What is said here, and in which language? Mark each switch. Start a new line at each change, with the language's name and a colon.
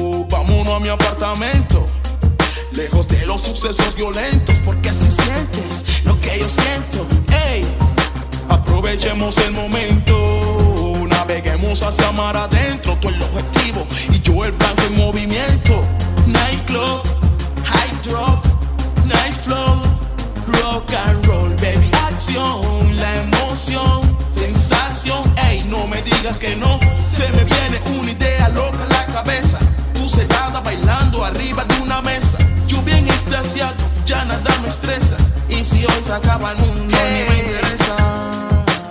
Spanish: Vámonos a mi apartamento, lejos de los sucesos violentos. Porque si sientes lo que yo siento, ey, aprovechemos el momento. Naveguemos hacia mar adentro, tú el objetivo y yo el blanco en movimiento.
English: Nightclub, high drop, nice flow, rock and roll, baby.
Spanish: Acción, la emoción, sensación, ey, no me digas que no. Se me viene una idea loca en la cabeza. Tú sedada bailando arriba de una mesa. Yo bien extasiado, ya nada me estresa. Y si hoy se acaba el mundo, hey, ni me interesa.